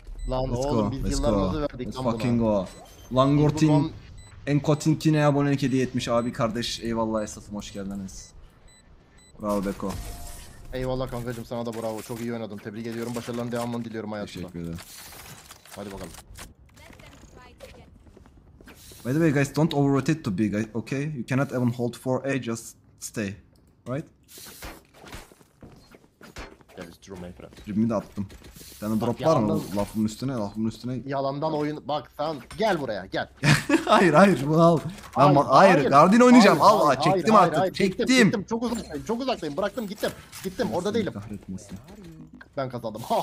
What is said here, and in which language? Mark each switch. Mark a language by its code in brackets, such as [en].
[tr] Lan let's oğlum go, biz yıllarımızı verdik. [en] Let's fucking go. [tr] Langortin Enkotinkine abone hediye etmiş abi kardeş. Eyvallah esasım hoş geldiniz. Bravo Beko. Eyvallah kankacım sana da bravo. Çok iyi oynadın. Tebrik ediyorum. Başarıların devamını diliyorum hayatına. Teşekkür ederim. Hadi bakalım. [en] By the way guys don't overrotate too big, okay? You cannot even hold 4A, just stay. Right? [tr] Drop'imi de attım. Sen de droplar mı lafımın üstüne? Yalandan oyun. Bak sen gel buraya gel. hayır bunu al. Hayır. Guardian oynayacağım. Allah çektim hayır, artık. Çektim. Çok uzaktayım. Bıraktım gittim. Orada değilim. Kahretmesin. Ben kazandım.